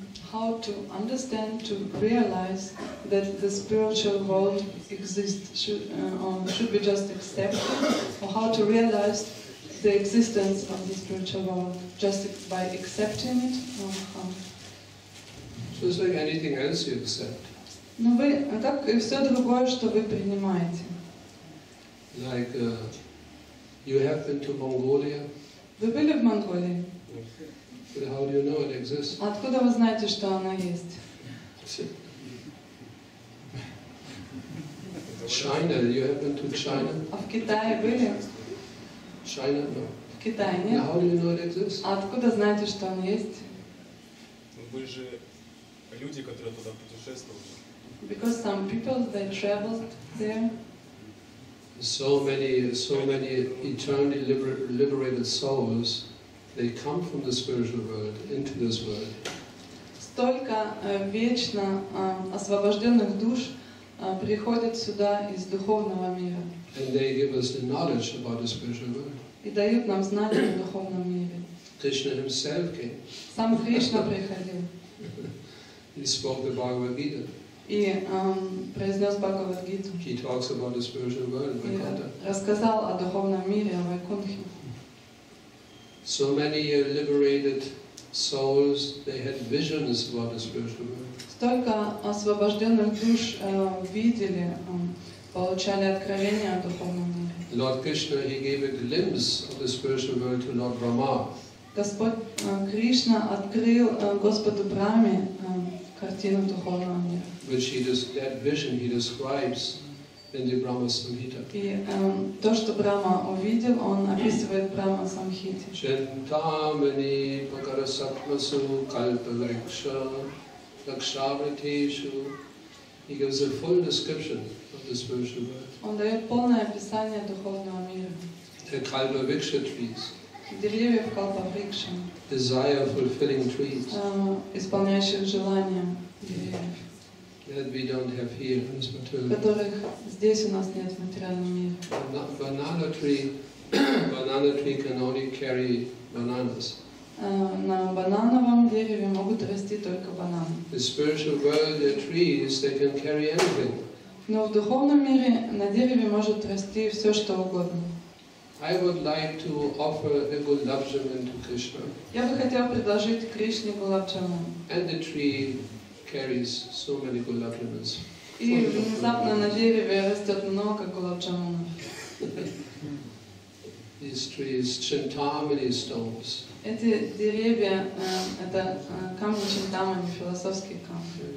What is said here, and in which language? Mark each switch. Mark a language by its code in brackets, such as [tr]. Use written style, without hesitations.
[en] how to understand, to realize that the spiritual world exists, should be just accepted, or how to realize the existence of the spiritual world, just by accepting it, or how? So it's like anything else you accept. [ru] Ну вы как и все другое, что вы принимаете. [en] Like you have been to Mongolia. [ru] Вы были в Монголии? [en] But how do you know it exists? [ru] Откуда вы знаете, что она есть? [en] China, you have been to China? [ru] А в Китае были? [en] China, no. [ru] В Китае нет. [en] Now, how do you know it exists? [ru] Откуда знаете, что она есть? Вы же люди, которые туда путешествовали. [en] Because some people, they traveled there. So many eternally liberated souls, they come from the spiritual world into this world. [ru] Столько вечно освобожденных душ приходят сюда из духовного мира. [en] And they give us the knowledge about the spiritual world. [ru] И дают нам знания о духовном мире. [en] Krishna himself came. [ru] Сам Кришна приходил. [en] He spoke the Bhagavad Gita. [ru] И произнес Бхагавад Гиту. [en] He talks about the spiritual world, Vaikuntha. [ru] И рассказал о духовном мире, о Вайкунтхе. [en] So many liberated souls, they had visions about the spiritual world. [ru] Столько освобожденных душ видели, получали откровения о духовном мире. [en] Lord Krishna, he gave a glimpse of the spiritual world to Lord Brahma. [ru] Господь Кришна открыл Господу Брахме картину духовного мира. [en] Which he does, that vision he describes in the Brahma Samhita. [ru] То, что Брахма увидел, он описывает Брахма Самхите. [sa] Чентамани пакарасатмасу кальпавриксха лакшавритешу. [en] He gives a full description of the spiritual world. [ru] Он дает полное описание духовного мира. [en] The кальпавриксха trees. [ru] Деревья в кальпавриксха. [en] Desire fulfilling trees. [ru] Исполняющих желания деревьев. [en] That we don't have here in this material. [ru] Которых здесь у нас нет в материальном мире. [en] Banana tree can only carry bananas. [ru] На банановом дереве могут расти только бананы. [en] The spiritual world, the trees, they can carry anything. [ru] Но в духовном мире на дереве может расти все что угодно. [en] I would like to offer a gulabjaman to Krishna. [ru] Я бы хотел предложить Кришне гулабджаму. [en] And the tree carries so many gulabjamans. [ru] И внезапно на дереве растет много гулабджамунов. [en] These trees, chintamani stones. [ru] Эти деревья, это камни чинтамани, философские камни.